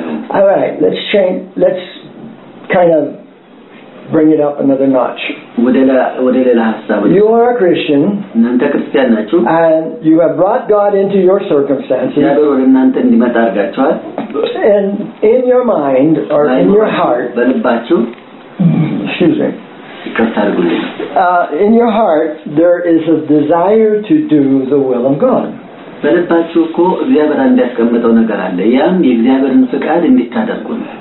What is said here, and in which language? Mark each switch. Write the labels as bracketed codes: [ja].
[en] Alright, let's change, let's kind of bring it up another notch. You are a Christian. [am] እናንተ ክርስቲያን ናችሁ? [en] And you have brought God into your circumstances. [am] ያደረውን እናንተ እንዲመጣ አርጋችኋል? [en] And in your mind or in your heart. [am] በልባችሁ? [en] Excuse me. [am] ከታርጉልኝ። [en] In your heart there is a desire to do the will of God. [am] በልባችሁ እኮ እግዚአብሔር እንዲያስቀምጠው ነገር አለ ያም የእግዚአብሔርን ፍቃድ እንድታደርጉ ነው